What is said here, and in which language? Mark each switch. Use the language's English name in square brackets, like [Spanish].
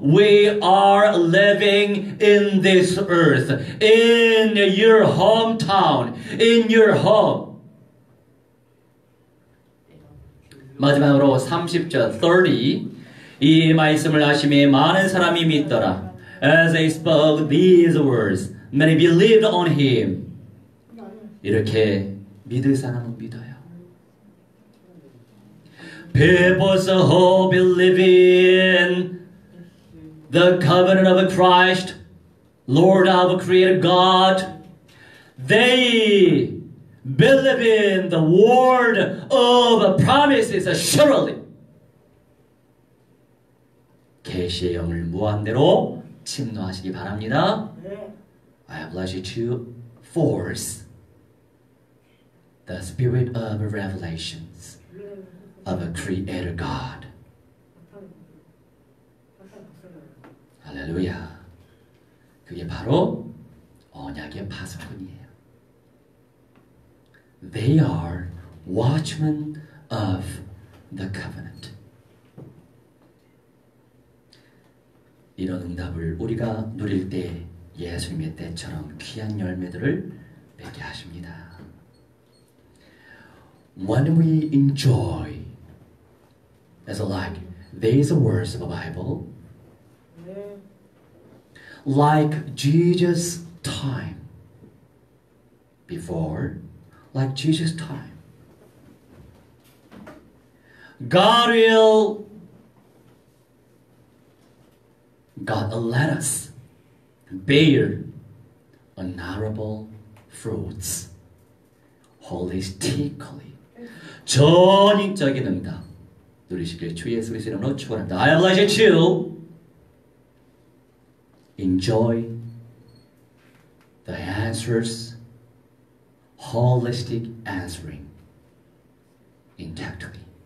[English] We are living in this earth, in your hometown, in your home. [Korean] 마지막으로 30절 30. 이 말씀을 하심에 많은 사람이 믿더라. [English] As he spoke these words, many believed on him. [Korean] 이렇게 믿을 사람은 믿어요. [English] People's who believe in the covenant of Christ, Lord of Creator God, they believe in the word of promises surely. [Korean] 계시의 영을 무한대로 침노하시기 바랍니다. 네. [English] I have led you to force. the spirit of revelations of a creator God. Hallelujah. [Korean] 그게 바로 언약의 파수꾼이에요. [English] They are watchmen of the covenant. [Korean] 이런 응답을 우리가 누릴 때 예수님의 때처럼 귀한 열매들을 맺게 하십니다. [English] When we enjoy, as like these words of the Bible, like Jesus' time before, like Jesus' time, God will, God will let us bear honorable fruits holistically. [Korean] 전인적인 응답 누리시길 주 예수 그리스도의 이름으로 축원합니다. [English] I bless you too. Enjoy the answers, holistic answering, intactly.